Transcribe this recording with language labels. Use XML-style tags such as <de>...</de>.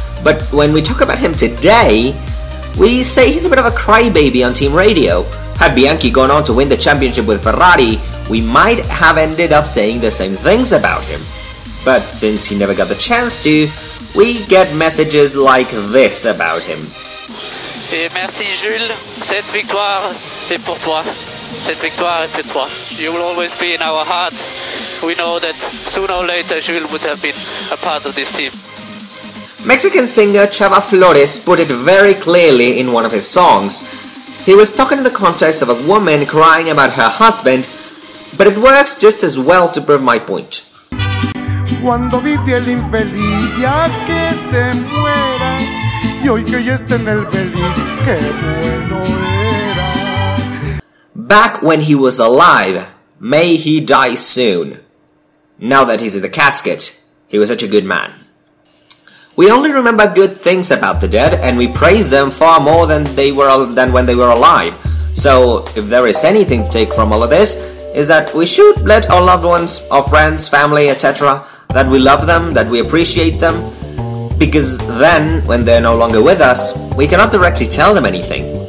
<en>But when we talk about him today, we say he's a bit of a crybaby on team radio. Had Bianchi gone on to win the championship with Ferrari, we might have ended up saying the same things about him. But since he never got the chance to, we get messages like this about him.</en> <fr>Et merci Jules, cette victoire, c'est pour toi. Cette victoire est pour toi.</fr> <en>You will always be in our hearts. We know that sooner or later Jules would have been a part of this team. Mexican singer Chava Flores put it very clearly in one of his songs. He was talking in the context of a woman crying about her husband, but it works just as well to prove my point.</en> <es>Cuando vive el infeliz ya que se muera y hoy que ya está en el feliz qué bueno era.</es> <en>Back when he was alive, may he die soon. Now that he's in the casket, he was such a good man. We only remember good things about the dead, and we praise them far more than when they were alive. So, if there is anything to take from all of this, is that we should let our loved ones, our friends, family, etc., that we love them, that we appreciate them, because then, when they're no longer with us, we cannot directly tell them anything.</en>